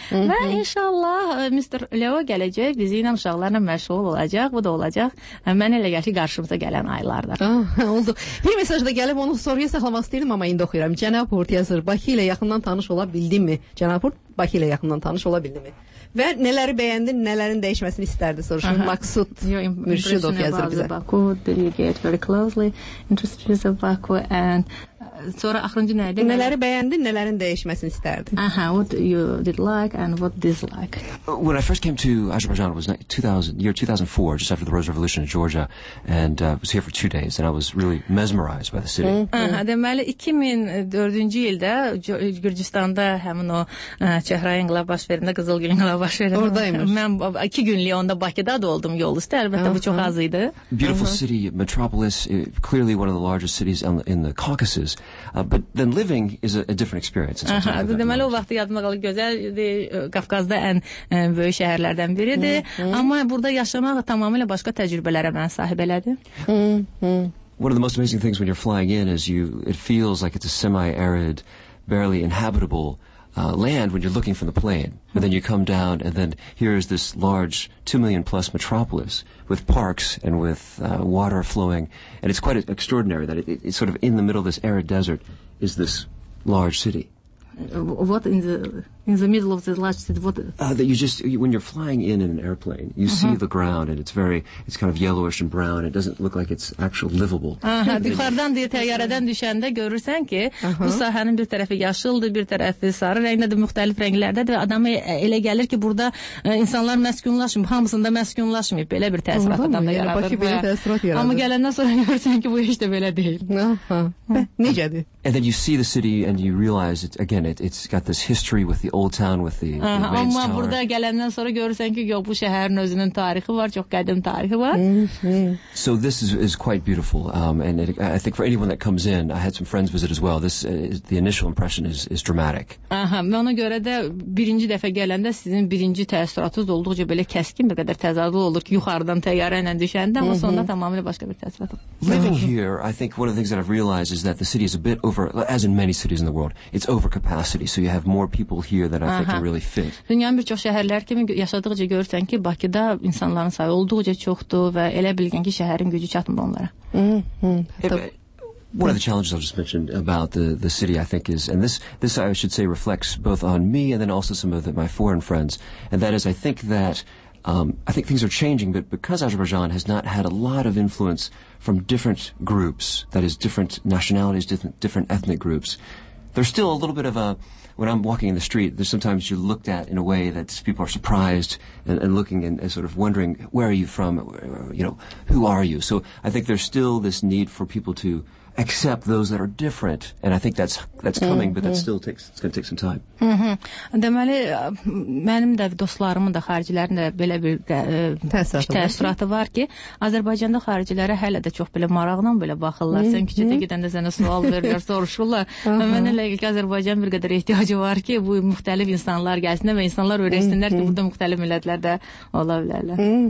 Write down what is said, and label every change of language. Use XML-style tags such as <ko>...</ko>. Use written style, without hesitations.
<az>Və inşallah Mr. Leo gələcək, bizi ilə uşaqlarla məşğul olacaq. Bu da olacaq. Mənə elə gəlir ki, qarşımıza gələn aylarda. Oldu. Bir mesaj da gəlib, onu soruya saxlamaq istəyirdim, amma indi oxuyuram. Cənab Hurt yazır, Bakı ilə yaxından tanış ola bildinmi? Cənab Hurt, Bakı ilə yaxından tanış ola bildinmi? Və nələri bəyəndin, nələrin dəyişməsini istərdi soruşun. Maksud Mürşidov yazır bizə.</az> <en>Baku, delegate very closely, interested in Baku and</en> <az>Sonra axırıncı nədir? Nələri bəyəndin, nələrin dəyişməsini istərdin?</az> <en>Aha, what you did like and what dislike. When I first came to Azerbaijan, it was 2004, just after the Rose Revolution in Georgia, and was here for 2 days, and I was really mesmerized by the city.</en> <az>Deməli, 2004-cü ildə Gürcüstanda həmin o Çəhrə İnqilab baş verəndə, Qızıl Gül İnqilab baş verəndə. Oradaymış. Mən 2 günlük onda Bakıda da oldum yol üstə, əlbəttə bu çox az idi.</az> <en>Beautiful city, metropolis, clearly one of the largest cities in the Caucasus. But then living is a different experience.</en> <az>Deməli, o vaxtı yadıma qalır, gözəldir. Qafqazda ən böyük şəhərlərdən biridir. Amma burada yaşamaq tamamilə başqa təcrübələrə mən sahib elədim.</az> <en>One of the most amazing things when you're flying in is it feels like it's a semi-arid, barely inhabitable land when you're looking from the plane. But then you come down and then here is this large 2 million+ metropolis with parks and with water flowing, and it's quite extraordinary that it's sort of in the middle of this arid desert is this large city. What in the middle of the large city? When you're flying in an airplane, you see the ground, and it's kind of yellowish and brown. It doesn't look like it's actual livable.</en> <az>Yukarıdan diye təyyarədən düşəndə görürsən ki, bu sahənin bir tərəfi yaşıldır, bir tərəfi sarı rəngdədir, müxtəlif rənglərdədir. Adama elə gəlir ki, burada insanlar məskunlaşmıyor, hamısında məskunlaşmıyor. Belə bir təsirat adamda yaradır. Amma gələndən sonra görürsən ki, bu iş de belə deyil. Necədir?</az> <en>And then you see the city and you realize it's got this history with the old town, with the Mayans Tower.</en> <az>Amma burada gələndən sonra görürsən ki, yox, bu şəhərin özünün tarixi var, çox qədim tarixi var.</az> <en>So this is quite beautiful. I think for anyone that comes in, I had some friends visit as well. This the initial impression is dramatic.</en> <az>Aha, ona görə də birinci dəfə gələndə sizin birinci təəssüratınız olduqca belə kəskin bir qədər təzadlı olur ki, yuxarıdan təyyarə ilə düşəndə, amma sonda tamamilə başqa bir təsir olur.</az> <en>Living here, I think one of the things that I've realized is that the city is a bit over, as in many cities in the world, it's over capacity, so you have more people here than I think can really fit.</en> <az>Dünyanın bir çox şəhərlər kimi yaşadığıca görürsən ki, Bakıda insanların sayı olduqca çoxdur və elə bilgən ki, şəhərin gücü çatmır onlara.</az> <en>One of the challenges I just mentioned about the city, I think, is, and this I should say reflects both on me and then also some of my foreign friends, and that is, I think that I think things are changing, but because Azerbaijan has not had a lot of influence from different groups, that is, different nationalities, different ethnic groups, there's still a little bit of a, when I'm walking in the street, there's sometimes you're looked at in a way that people are surprised and looking and sort of wondering, where are you from, you know, who are you? So I think there's still this need for people to accept those that are different, and I think that's coming, but that still takes, it's going to take some time.</en> <az>Deməli, mənim də dostlarımın da xaricilərin də belə bir təəssüratı var ki, Azərbaycanda xaricilərə hələ də çox belə maraqla belə baxırlar. Sən küçədə gedəndə sənə sual verirlər, soruşurlar. Mənə elə gəlir ki, Azərbaycan bir qədər ehtiyacı var ki, bu müxtəlif insanlar gəlsin və insanlar öyrəşsinlər ki, burada müxtəlif millətlər də ola bilərlər.</az>